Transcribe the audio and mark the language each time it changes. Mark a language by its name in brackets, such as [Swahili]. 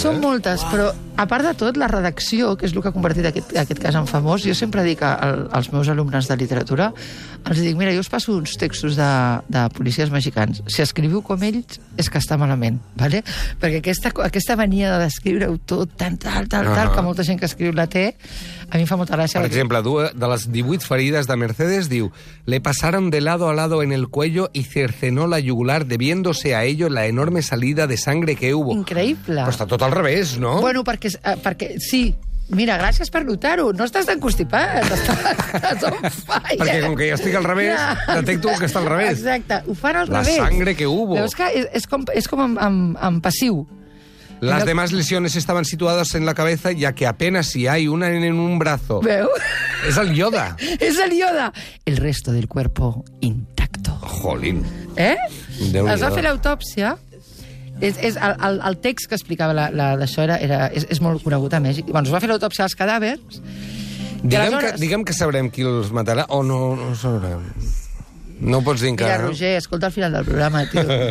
[Catalan] Són moltes, però a part de tot, la redacció, que és el que ha convertit aquest cas en famós, jo sempre dic als meus alumnes de literatura, els dic, mira, jo us passo uns textos de policies mexicans. Si escriviu com ells, és que està malament, ¿vale? Perquè aquesta mania de descriure-ho tot, tal, que molta gent que escriu la té, a mi em fa molta gràcia. Per exemple, de les 18 ferides de Mercedes, diu, [Spanish] le pasaron de lado a lado en el cuello y cercenó la yugular, debiéndose a ello la enorme salida de sangre que hubo. [Catalan] Increïble. Però està tot al revés, no? Bueno, perquè sí. Mira, gràcies per notar-ho. No estàs tan constipat. Estàs [English] on fire. [Catalan] Perquè com que ja estic al revés, ja. Detecto que està al revés. Exacte. Ho fan al la revés. [Spanish] La sangre que hubo. [Catalan] Veus que és com en passiu. [Spanish] Las demás lesiones estaban situadas en la cabeza, ya que apenas si hay una en un brazo. [Catalan] ¿Veu? Es el Yoda. Es el Yoda. [Spanish] El resto del cuerpo intacto. Jolín. [Catalan] ¿Eh? Déu-n'hi-do. Es va fer l'autòpsia. És el text que explicava la d'això és molt conegut a Mèxic. Bueno, es va fer l'autòpsia als cadàvers. Diguem que sabrem qui els matarà o no sabrem. No pots dir encara. Mira, Roger, escolta al final del programa, tio.